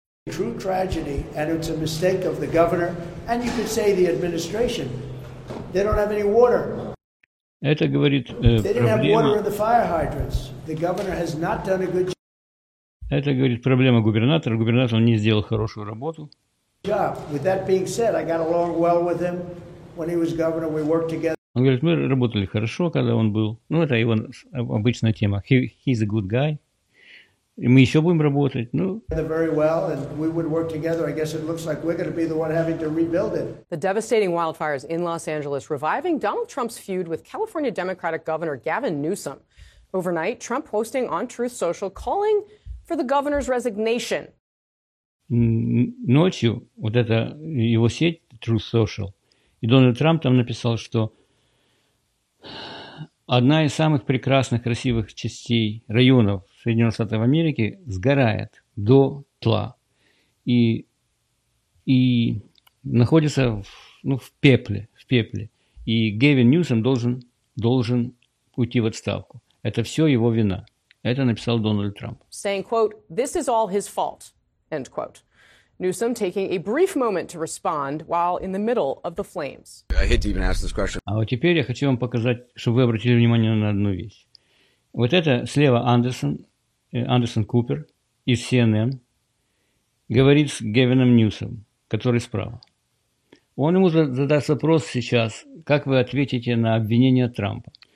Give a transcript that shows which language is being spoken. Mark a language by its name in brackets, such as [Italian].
[English] True tragedy, and it's a mistake of the governor, and you could say the administration. They don't have any water. [Russian] Это говорит проблема. [English] They didn't have water in the fire hydrants. The governor has not done a good job. [Russian] Это говорит проблема губернатора. Губернатор не сделал хорошую работу. [English] Job. With that being said, I got along well with him when he was governor. We worked together. [Russian] Он говорит, мы работали хорошо, когда он был. Ну, это его обычная тема. [English] He's a good guy. [Russian] И мы еще будем работать. Ну. [English] Very well, and we would work together. I guess it looks like we're going to be the one having to rebuild it. The devastating wildfires in Los Angeles reviving Donald Trump's feud with California Democratic Governor Gavin Newsom. Overnight, Trump posting on Truth Social calling for the governor's resignation. [Russian] Ночью вот это его сеть Truth Social, и Дональд Трамп там написал, что одна из самых прекрасных, красивых частей районов Соединенных Штатов Америки сгорает до тла и находится в пепле. И Гэвин Ньюсом должен уйти в отставку. Это все его вина. Это написал Дональд Трамп. [English] Saying, quote, this is all his fault, end quote. Newsom taking a brief moment to respond while in the middle of the flames. I hate to even ask this question. [Russian] А вот теперь я хочу вам показать, чтобы вы обратили внимание на одну вещь. Вот это слева Андерсон Купер из CNN говорит с Гэвином Ньюсом, который справа. Он ему задаст вопрос сейчас, как вы ответите на обвинение Трампа.